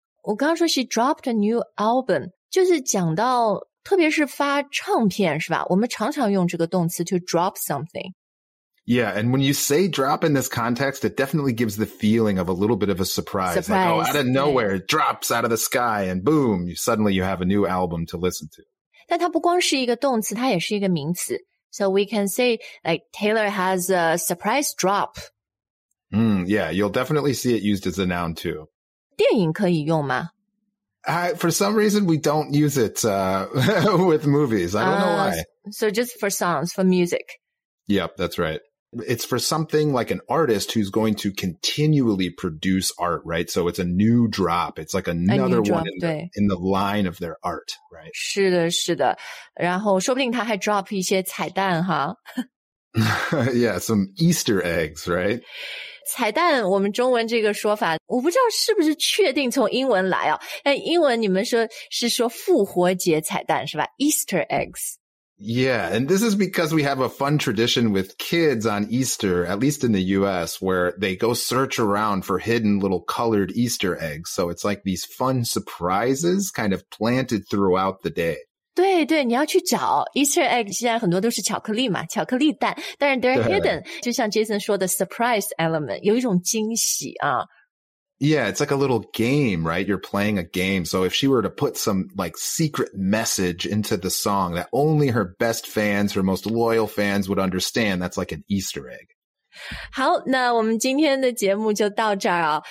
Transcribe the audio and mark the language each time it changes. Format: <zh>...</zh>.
<zh>我刚刚说</zh> <en>she dropped a new album,</en> <zh>就是讲到特别是发唱片是吧，我们常常用这个动词</zh> <en>to drop something。 Yeah, and when you say drop in this context, it definitely gives the feeling of a little bit of a surprise. Surprise. Like, oh, out of nowhere, it drops out of the sky, and boom, suddenly you have a new album to listen to.</en> <zh>但它不光是一个动词，它也是一个名词。</zh> <en>So we can say, like, Taylor has a surprise drop. Yeah, you'll definitely see it used as a noun, too.</en> <zh>电影可以用吗？</zh> <en>For some reason, we don't use it with movies. I don't know why. So just for songs, for music. Yep, that's right. It's for something like an artist who's going to continually produce art, right? So it's a new drop. It's like another drop, one in the line of their art, right?</en> <zh>是的，是的。然后说不定他还 drop 一些彩蛋哈。</zh> <en>Yeah, some Easter eggs, right?</en> <zh>彩蛋，我们中文这个说法，我不知道是不是确定从英文来啊。但英文你们说是说复活节彩蛋是吧 ？Easter eggs.</zh> <en>Yeah, and this is because we have a fun tradition with kids on Easter, at least in the U.S., where they go search around for hidden little colored Easter eggs. So it's like these fun surprises kind of planted throughout the day.</en> <zh>对对，你要去找 Easter egg 现在很多都是巧克力嘛，巧克力蛋，但是</zh> <en>they're hidden,</en> <zh>就像 Jason 说的 surprise element, 有一种惊喜啊。</zh> <en>Yeah, it's like a little game, right? You're playing a game. So if she were to put some like secret message into the song that only her best fans, her most loyal fans would understand, that's like an Easter egg.</en> <zh>好，那我们今天的节目就到这儿啊。</zh>